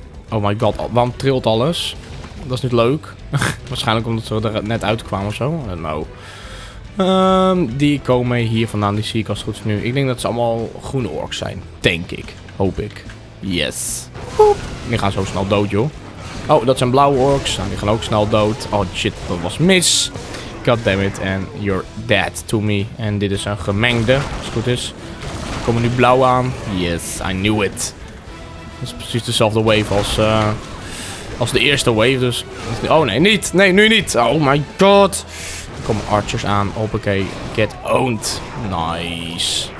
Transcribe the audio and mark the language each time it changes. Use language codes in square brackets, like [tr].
[nl] Oh my god, waarom trilt alles? Dat is niet leuk. Waarschijnlijk omdat ze er net uitkwamen of zo. Nou... die komen hier vandaan, die zie ik als het goed is nu. Ik denk dat ze allemaal groene orks zijn, denk ik. Hoop ik. Yes. Hoop. Die gaan zo snel dood, joh. Oh, dat zijn blauwe orks. Nou, die gaan ook snel dood. Oh shit, dat was mis. [en] God damn it, and you're dead to me. [nl] En dit is een gemengde, als het goed is. Er komen nu blauw aan. [en] Yes, I knew it. [nl] Dat is precies dezelfde wave als de eerste wave, dus... Oh nee, niet. Nee, nu niet. Oh my god. Er komen archers aan. Hoppakee. [en] Get owned. Nice.